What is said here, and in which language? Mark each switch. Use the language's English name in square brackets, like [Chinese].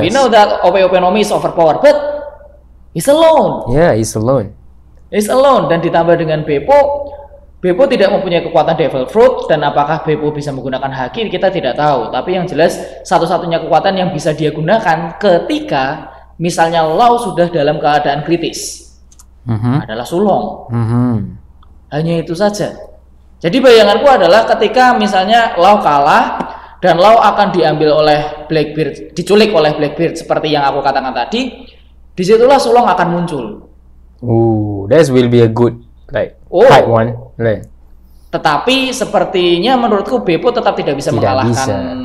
[English] We know that OP-OP Nomi is overpower, but he's alone. Yeah, he's alone. [Indonesian] He's alone, dan ditambah dengan Beppo. Beppo tidak mempunyai kekuatan Devil Fruit, dan apakah Beppo bisa menggunakan Haki kita tidak tahu. Tapi yang jelas satu-satunya kekuatan yang bisa dia gunakan ketika misalnya Law sudah dalam keadaan kritis adalah Sulong. Hanya itu saja. Jadi bayanganku adalah ketika misalnya Law kalah dan Law akan diambil oleh Blackbeard, diculik oleh Blackbeard seperti yang aku katakan tadi, disitulah Sulong akan muncul. [English] Ooh, that will be a good fight one. Like. [Indonesian] Tetapi sepertinya menurutku Beppo tetap tidak bisa mengalahkan.